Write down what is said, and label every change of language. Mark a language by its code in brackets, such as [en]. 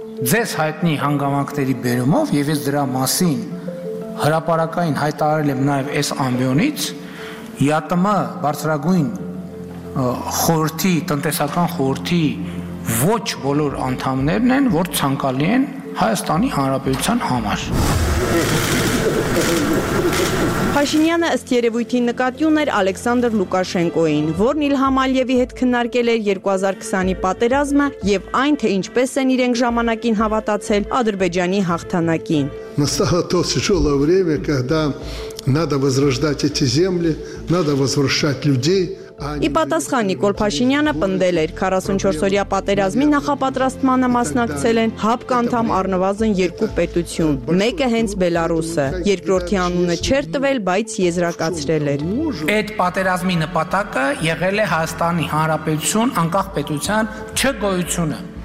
[hy] ձեզ հայտնի հանգամանքների բերումով եւ ես դրա մասին հրապարակային հայտարարել եմ նաև այս ամբիոնից, ԵԱՏՄ բարձրագույն խորհրդի, տնտեսական խորհրդի ոչ բոլոր անդամներն են, որ ցանկալի են Հայաստանի Հանրապետության համար։ Փաշինյանը ըստ երևույթին նկատի ուներ Ալեքսանդր Լուկաշենկոին, որն Իլհամ Ալիևի հետ քննարկել էր 2020-ի պատերազմը եւ այն, թե ինչպես են իրենք ժամանակին հավատացել Ադրբեջանի հաղթանակին։ [ru] Настало то тяжелое время, когда надо возрождать эти земли, надо возвращать людей. [hy] Ի պատասխան Նիկոլ Փաշինյանը պնդել էր 44-օրյա պատերազմի նախապատրաստմանը մասնակցել են ՀԱՊԿ անդամ առնվազն երկու պետություն, մեկը հենց Բելարուսը, երկրորդի անունը չէր տվել, բայց եզրակացրել էր։ Այդ պատերազմի նպատակը եղել է Հայաստանի Հանրապետություն անկախ պետության չգոյությունը։